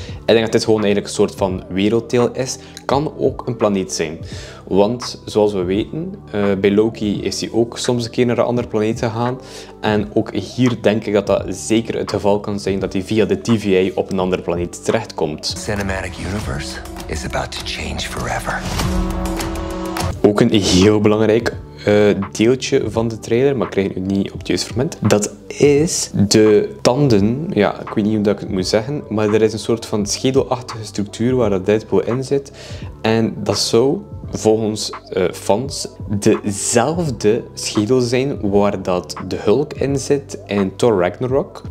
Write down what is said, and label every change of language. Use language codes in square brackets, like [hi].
[nl] Ik denk dat dit gewoon eigenlijk een soort van werelddeel is. Kan ook een planeet zijn. Want zoals we weten, bij Loki is hij ook soms een keer naar een andere planeet gegaan. En ook hier denk ik dat dat zeker het geval kan zijn dat hij via de TVA op een andere planeet terechtkomt. [en] Cinematic Universe is about to change forever. [nl] Ook een heel belangrijk deeltje van de trailer, maar ik krijg het nu niet op het juiste moment. Dat is de tanden. Ja, ik weet niet hoe ik het moet zeggen, maar er is een soort van schedelachtige structuur waar dat Deadpool in zit. En dat zou volgens fans dezelfde schedel zijn waar dat de Hulk in zit in Thor Ragnarok.